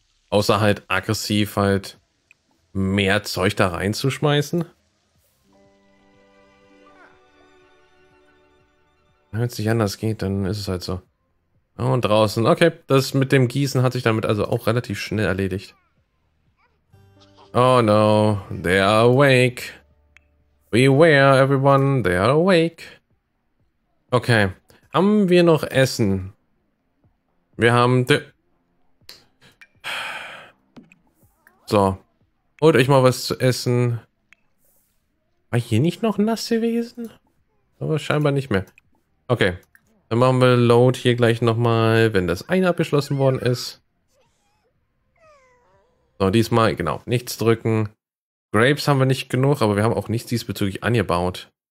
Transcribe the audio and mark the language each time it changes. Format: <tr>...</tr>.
<de>Außer halt aggressiv halt mehr Zeug da reinzuschmeißen. Wenn es nicht anders geht, dann ist es halt so. Oh, und draußen. Okay, das mit dem Gießen hat sich damit also auch relativ schnell erledigt.</de> <en>Oh no, they are awake. Beware, everyone, they are awake.</en> <de>Okay, haben wir noch Essen? Wir haben... So, holt euch mal was zu essen. War hier nicht noch nass gewesen? Aber scheinbar nicht mehr. Okay, dann machen wir Load hier gleich nochmal, wenn das eine abgeschlossen worden ist. So, diesmal, genau, nichts drücken. Grapes haben wir nicht genug, aber wir haben auch nichts diesbezüglich angebaut.</de>